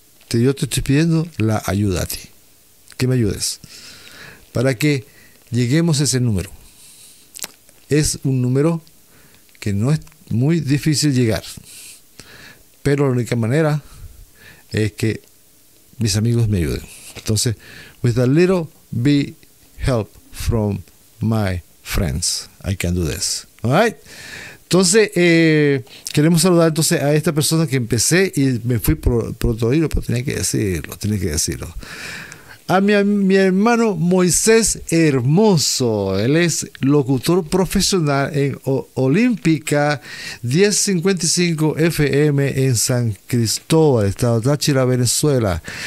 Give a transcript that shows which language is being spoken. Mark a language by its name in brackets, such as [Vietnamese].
[Spanish] Yo te estoy pidiendo la ayuda a ti. Que me ayudes. Para que lleguemos a ese número. Es un número que no es muy difícil llegar. Pero la única manera es que mis amigos me ayuden. Entonces, [English] with a little be help from my friends. I can do this. All right. [Spanish] Entonces, queremos saludar entonces a esta persona que empecé y me fui por otro hilo, pero tenía que decirlo. A mi hermano Moisés Hermoso. Él es locutor profesional en Olímpica 1055 FM en San Cristóbal, Estado Táchira, Venezuela.